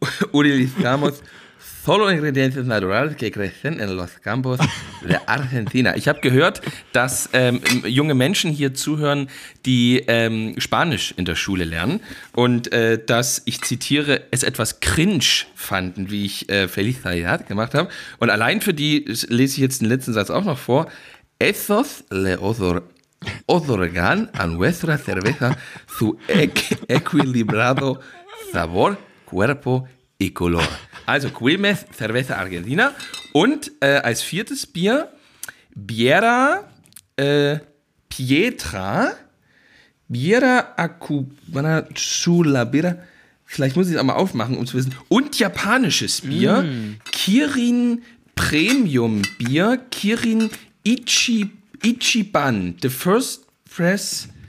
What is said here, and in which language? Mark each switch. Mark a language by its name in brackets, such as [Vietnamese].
[Spanish] Utilizamos solo ingredientes naturales que crecen en los campos de Argentina. [German] Ich habe gehört, dass junge Menschen hier zuhören, die Spanisch in der Schule lernen und dass, ich zitiere, es etwas cringe fanden, wie ich Feliz Navidad gemacht habe. Und allein für die lese ich jetzt den letzten Satz auch noch vor. [Spanish] Esos le otorgan a nuestra cerveza su equilibrado sabor, cuerpo y color. [German] Also Quilmes, Cerveza Argentina. Und als viertes Bier, Biera Pietra, Biera Acubana Chula Biera, vielleicht muss ich es einmal aufmachen, um zu wissen, und japanisches Bier, Kirin Premium Bier, Kirin Ichiban, [English] the first press.